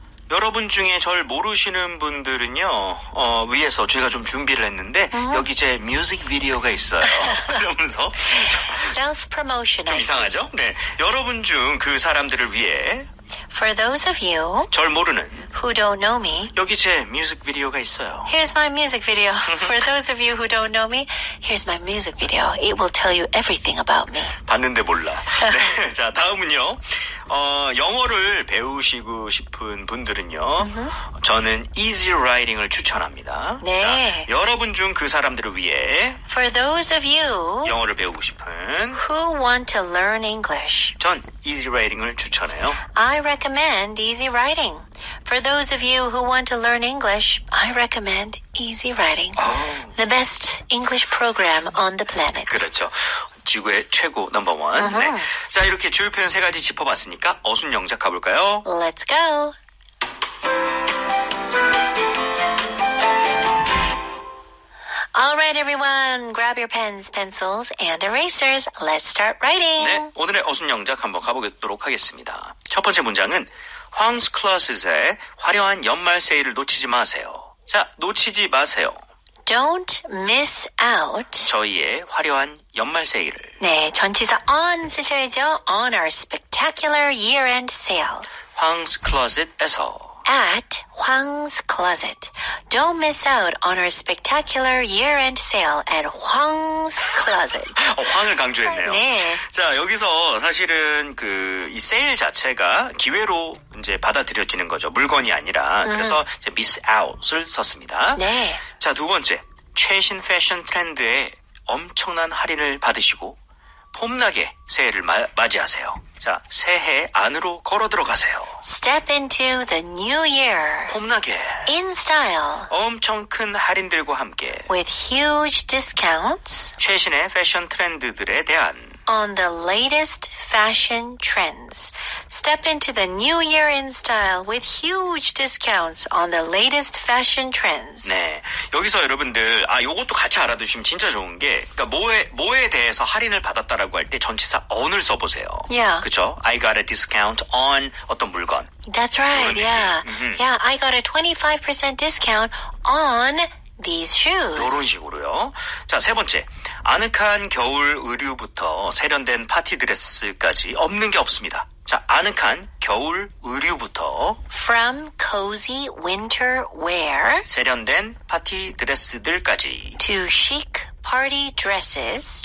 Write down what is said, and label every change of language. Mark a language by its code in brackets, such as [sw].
[ko] 여러분 중에 절 모르시는 분들은요, 위에서 제가 좀 준비를 했는데, 여기 제 뮤직 비디오가 있어요. 이러면서. [en] Self promotion. [ko] 좀 이상하죠? 네. 여러분 중 그 사람들을 위해. [en] For those of you. [ko] 절 모르는. [en] Who don't know me. [ko] 여기 제 뮤직 비디오가 있어요. [en] Here's my music video. For those of you who don't know me, here's my music video. It will tell you everything about me. [ko] 봤는데 몰라. 네. 자, 다음은요. 영어를 배우시고 싶은 분들은요. Mm-hmm. 저는 Easy Writing을 추천합니다. 네. 자, 여러분 중 그 사람들을 위해 [en] For those of you [ko] 영어를 배우고 싶은 [en] Who want to learn English? [ko] 전 Easy Writing을 추천해요. [en] I recommend Easy Writing. For those of you who want to learn English, I recommend Easy Writing. Oh. The best English program on the planet. [ko] 그렇죠. 지구의 최고 넘버 원. 네. 자, 이렇게 주요 표현 세 가지 짚어봤으니까 어순 영작 가볼까요? [en] Let's go. [ko] 네, [en] everyone, grab your pens, pencils, and erasers. Let's start writing. [ko] 네, 오늘의 어순 영작 한번 가보도록 하겠습니다. 첫 번째 문장은 Hans Claus의 화려한 연말 세일을 놓치지 마세요. 자, 놓치지 마세요. [en] Don't miss out. [ko] 저희의 화려한 연말 세일을. 네, 전치사 on 쓰셔야죠. [en] On our spectacular year-end sale. [ko] Hans Claus에서. [en] At Huang's Closet. Don't miss out on our spectacular year-end sale at Huang's Closet. [ko] 황을 강조했네요. 네. 자, 여기서 사실은 그 이 세일 자체가 기회로 이제 받아들여지는 거죠. 물건이 아니라. 그래서 이제 miss out을 썼습니다. 네. 자, 두 번째. 최신 패션 트렌드에 엄청난 할인을 받으시고 폼나게 새해를 맞이하세요. 자, 새해 안으로 걸어 들어가세요. [en] Step into the new year. [ko] 폼나게. [en] In style. [ko] 엄청 큰 할인들과 함께. [en] With huge discounts. [ko] 최신의 패션 트렌드들에 대한. [en] On the latest fashion trends. Step into the new year in style with huge discounts on the latest fashion trends. [ko] 네. 여기서 여러분들, 아, 요것도 같이 알아두시면 진짜 좋은 게, 그러니까 뭐에 대해서 할인을 받았다라고 할 때 전치사 on을 써보세요. [en] Yeah. [ko] 그쵸? [en] I got a discount on [ko] 어떤 물건. [en] That's right. Yeah. Yeah. I got a 25% discount on these shoes. [ko] 이런 식으로요. 자, 세 번째. 아늑한 겨울 의류부터 세련된 파티 드레스까지 없는 게 없습니다. 자, 아늑한 겨울 의류부터 [en] from cozy winter wear [ko] 세련된 파티 드레스들까지 [en] to chic party dresses